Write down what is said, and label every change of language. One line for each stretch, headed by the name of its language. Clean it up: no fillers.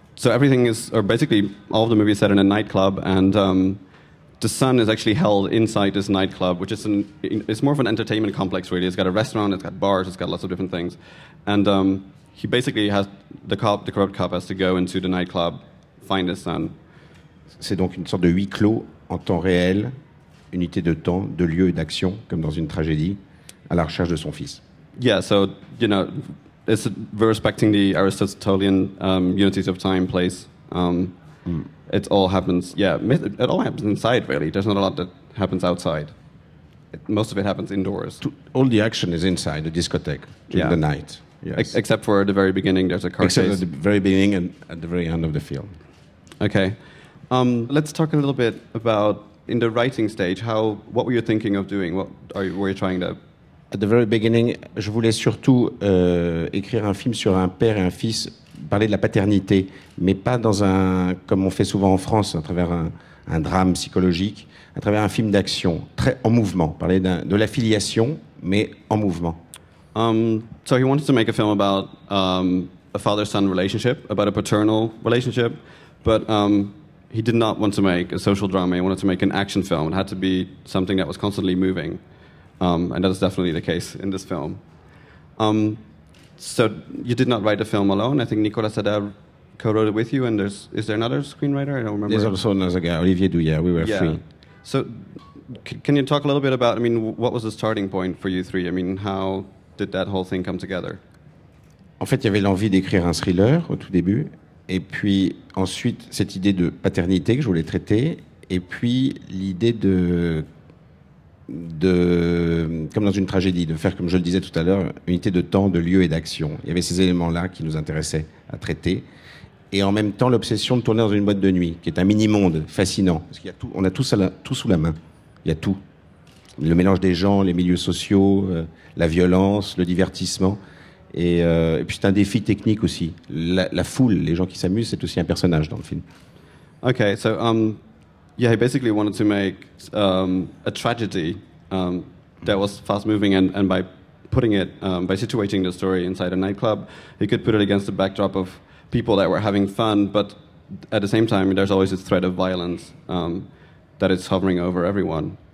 English: So everything is, or basically all of the movie is set in a nightclub, and the son is actually held inside this nightclub, which is it's more of an entertainment complex really. It's got a restaurant, it's got bars, it's got lots of different things, and he basically has the corrupt cop has to go into the nightclub, find his son.
French: C'est donc une sorte de huis clos en temps réel, unité de temps, de lieu et d'action, comme dans une tragédie, à la recherche de son fils.
English: Yeah, so you know, we're respecting the Aristotelian unities of time, place. It all happens. Yeah, it all happens inside. Really, there's not a lot that happens outside. Most of it happens indoors. All the action is inside the discotheque during the night. Yes. Except for at the very beginning, there's a car chase. Except at the very beginning and at the very end of the film. Okay. Let's talk a little bit about, in the writing stage, what were you thinking of doing? What were you trying to... At the very beginning,
French: je voulais surtout écrire un film sur un père et un fils, parler de la paternité, mais pas dans un, comme on fait souvent en France, à travers un drame psychologique, à travers un film d'action, très en mouvement, parler de la filiation, mais en mouvement.
English: So he wanted to make a film about a father-son relationship, about a paternal relationship, but he did not want to make a social drama. He wanted to make an action film. It had to be something that was constantly moving. And that is definitely the case in this film. So you did not write the film alone. I think Nicolas Adair co-wrote it with you. And is there another screenwriter? I don't remember. There's also another guy, Olivier Douillet. We were three. So can you talk a little bit about, what was the starting point for you three? I mean, how did that whole thing come together?
French: En fait, il y avait l'envie d'écrire un thriller au tout début. Et puis ensuite, cette idée de paternité que je voulais traiter. Et puis l'idée de comme dans une tragédie, de faire, comme je le disais tout à l'heure, unité de temps, de lieu et d'action. Il y avait ces éléments-là qui nous intéressaient à traiter. Et en même temps, l'obsession de tourner dans une boîte de nuit, qui est un mini-monde fascinant. Parce qu'il y a tout, on a tout sous la main. Il y a tout. Le mélange des gens, les milieux sociaux, la violence, le divertissement. Et puis c'est un défi technique aussi. La foule, les gens qui s'amusent, c'est aussi un personnage dans le film.
English: Okay, so he basically wanted to make a tragedy that was fast moving, and by putting it by situating the story inside a nightclub, he could put it against the backdrop of people that were having fun, but at the same time, there's always this threat of violence that is hovering over everyone.